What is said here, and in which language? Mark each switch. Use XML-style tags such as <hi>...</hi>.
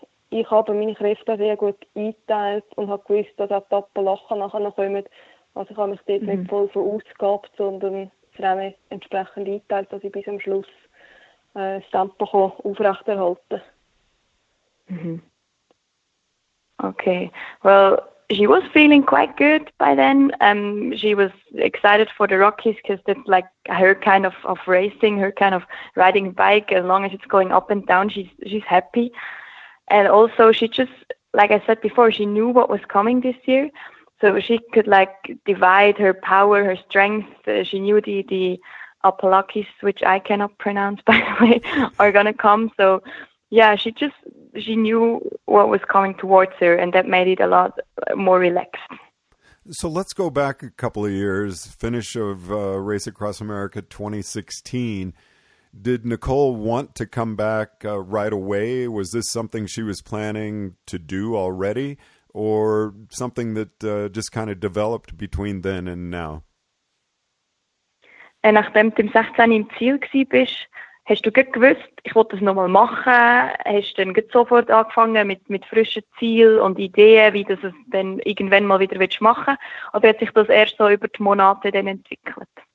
<de>Ich habe meine Kräfte sehr gut eingeteilt und habe gewusst, dass auch die Appalachen nachher noch kommen. Also ich habe mich dort nicht voll verausgabt, sondern es habe entsprechend eingeteilt, dass ich bis zum Schluss das Tempo aufrechterhalten kann.</de> <en>Okay, well, she was feeling quite good by then. She was excited for the Rockies because it's like her kind of racing, her kind of riding bike. As long as it's going up and down, she's happy. And also she just, like I said before, she knew what was coming this year. So she could like divide her power, her strength. She knew the Apalachis, which I cannot pronounce by the way, are going to come. So yeah, she knew what was coming towards her, and that made it a lot more relaxed. So let's go back a couple of years, finish of Race Across America 2016. Did Nicole want to come back right away? Was this something she was planning to do already, or something that just kind of developed between then and now?</en> <de>Nachdem du im 16 im Ziel gsi bist, hast du gut gewusst, ich wollte das nochmal machen? Hast du dann sofort angefangen mit frischen Zielen und Ideen, wie du es dann irgendwann mal wieder machen willst? Oder hat sich das erst so über die Monate dann entwickelt?</de>